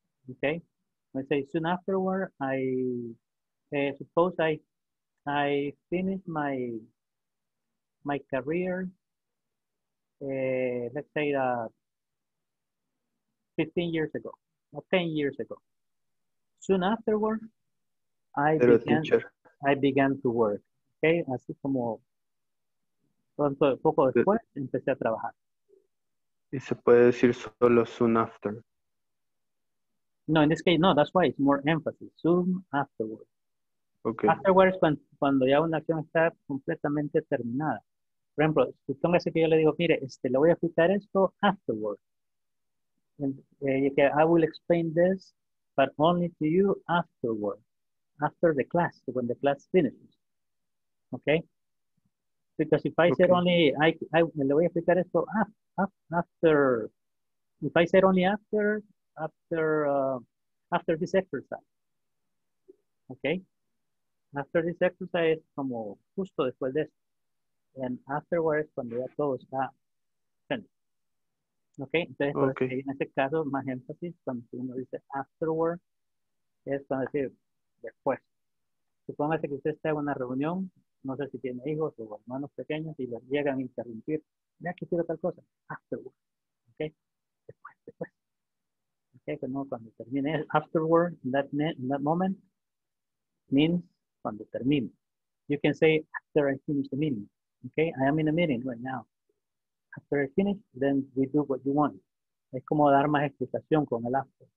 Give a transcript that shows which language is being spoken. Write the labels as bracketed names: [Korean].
[English] Okay, I say soon afterward, I suppose I finished my career, let's say 15 years ago, or 10 years ago. Soon afterward, I began to work. [Spanish] Okay, así como pronto, poco después, empecé a trabajar. ¿Y se puede decir solo [English] soon after? No, in this case, no, that's why it's more emphasis, soon afterward. Okay. [Spanish] Afterwards, cuando ya una acción está completamente terminada. Por ejemplo, supóngase que yo le digo, mire, le voy a explicar esto afterward. [English] And I will explain this, but only to you afterward, after the class, when the class finishes. Okay? Because if I said only, [Spanish] le voy a explicar esto [English] after, if I said only after this exercise. Okay? After this exercise, [Spanish] como justo después de esto. [English] And afterwards, [Spanish] cuando ya todo está finished. Okay? Entonces, en este caso, más énfasis, cuando uno dice afterward, es cuando dice después. Supóngase que usted está en una reunión, no sé si tiene hijos o hermanos pequeños, y les llegan a interrumpir. Mira, que quiero tal cosa. Afterward. Okay? Después. Okay? Que no, cuando termine afterward, [English] in that moment, means, [Spanish] cuando termine. [English] You can say after I finish the meeting. Okay, I am in a meeting right now. After I finish, then we do what you want. [Spanish] Es como dar más explicación con el after.